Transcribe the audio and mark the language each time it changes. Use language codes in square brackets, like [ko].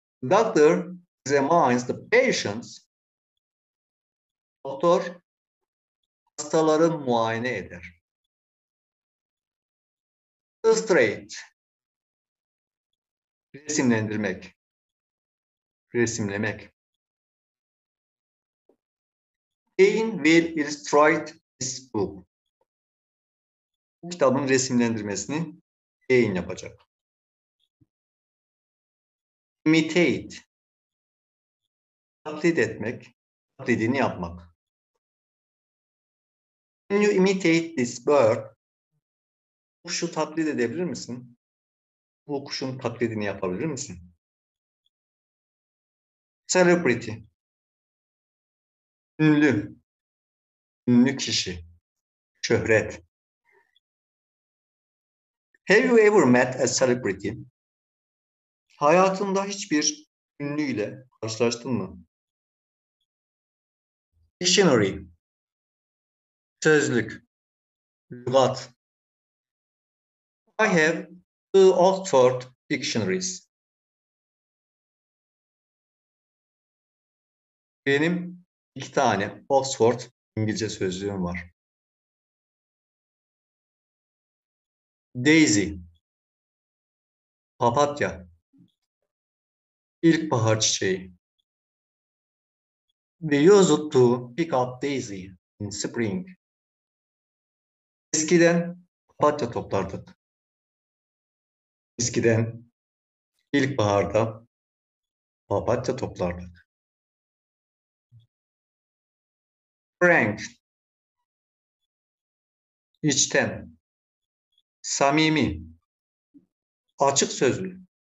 [en] Doctor examines the patients. [tr] Doktor hastaları muayene eder. Illustrate, resimlendirmek, resimlemek. [en] Jane will illustrate this book. [tr] Bu kitabın resimlendirmesini Jane yapacak. Imitate, taklit etmek, taklidini yapmak. [en] Can you imitate this bird? [tr] Kuşu taklit edebilir misin? Bu kuşun taklidini yapabilir misin? Celebrity, ünlü, ünlü kişi, şöhret. [en] Have you ever met a celebrity? [tr] Hayatında hiçbir ünlüyle karşılaştın mı? Dictionary, sözlük, lügat. [en] I have two Oxford dictionaries. [tr] Benim iki tane Oxford İngilizce sözlüğüm var. Daisy, papatya. İlkbahar çiçeği. [en] We used to pick up daisy in spring. [tr] Eskiden papatya toplardık. Eskiden ilkbaharda papatya toplardık. Frank, içten, samimi, açık sözlü.